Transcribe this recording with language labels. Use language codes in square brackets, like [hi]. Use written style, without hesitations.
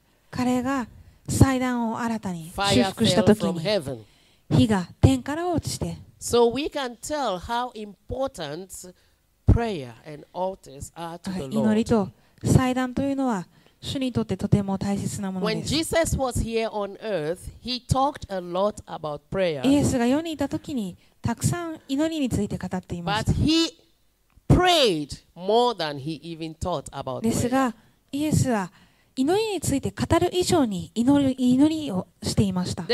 [ja] 彼が祭壇を新たに修復したときに火が天から落ちて、 [en] So we can tell how important prayer and altars are to the Lord. [ja] 祈りと祭壇というのは主にとってとても大切なものです。 [en] When Jesus was here on earth, he talked a lot about prayer. [ja] イエスが世にいたときにたくさん祈りについて語っていました。 [en] But he prayed more than he even taught about prayer. [ja] ですがイエスは祈りについて語る以上に祈りをしていました。